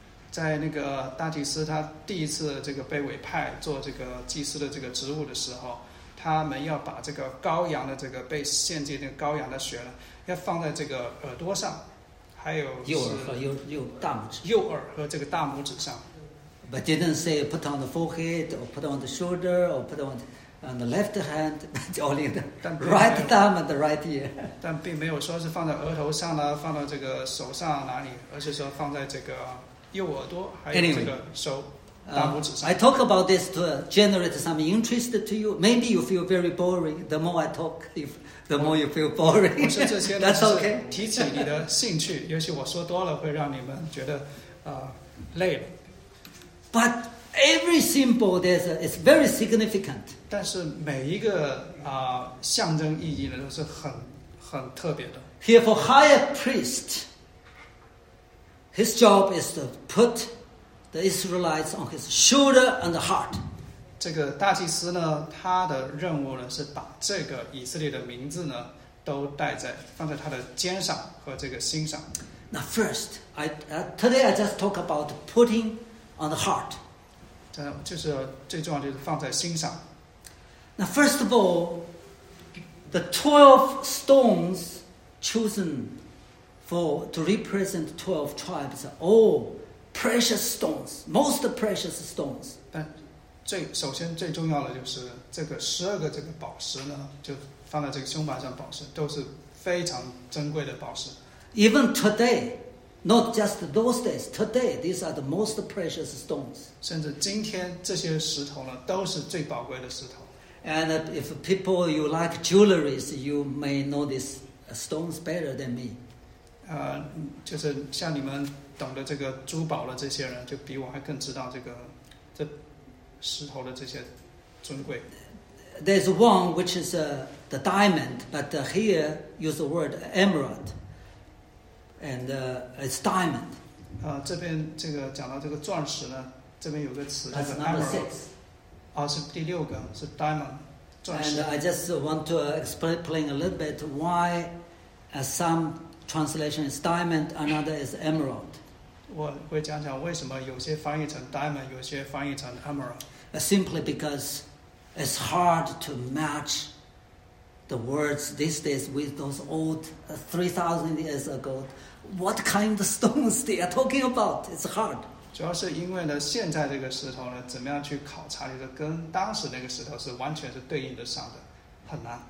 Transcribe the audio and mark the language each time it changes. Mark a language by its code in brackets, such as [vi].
[zh] 在那个大祭司他第一次这个被委派做这个祭司的这个职务的时候，他们要把这个羔羊的这个被献祭的羔羊的血呢，要放在这个耳朵上，还有右耳和右大拇指，右耳和这个大拇指上。 [en] But didn't say put on the forehead or put on the shoulder or put on the left hand, but only the right thumb and the right ear. [zh] 但并没有说是放在额头上呢，放到这个手上哪里，而是说放在这个右耳朵还有这个手 [en] anyway, [zh] 大拇指上。 [en] I talk about this to generate some interest to you. Maybe you feel very boring. The more I talk, the more you feel boring. That's okay. [zh] 提起你的兴趣，也许我说多了会让你们觉得累了。 [en] But every symbol there's is very significant. [zh] 但是每一个象征意义呢都是很特别的。 [en] Here for higher priest, his job is to put the Israelites on his shoulder and the heart. [zh] 这个大祭司呢，他的任务呢是把这个以色列的名字呢都放在他的肩上和这个心上。 [en] Now first, today I just talk about putting. On the heart. [zh] 就是最重要就是放在心上。 [en] Now, first of all, the 12 stones chosen to represent 12 tribes are all precious stones, most precious stones. [zh] 首先最重要的就是这个12个这个宝石呢，就放在这个胸牌上宝石，都是非常珍贵的宝石。 [en] Even today,Not just those days. Today, these are the most precious stones. [zh] 甚至今天这些石头呢，都是最宝贵的石头。 [en] And if people you like jewelries, you may know these stones better than me. [zh] 就是像你们懂得这个珠宝的这些人，就比我还更知道这石头的这些尊贵。 [en] There's one which is the diamond, but here use the word emerald. And it's diamond. [zh] 这边这个讲到这个钻石呢，这边有个词叫 [en] emerald. [zh] 是第六个，是 diamond, 钻石。 [en] And I just want to explain a little bit why some translation is diamond, another is emerald. [zh] 我会讲讲为什么有些翻译成 diamond, 有些翻译成 emerald. [en] Simply because it's hard to match. The words these days with those old 3,000 years ago, what kind of stones they are talking about? It's hard. [zh] 主要是因为呢，现在这个石头呢，怎么样去考察，就是跟当时那个石头是完全是对应得上的，很难。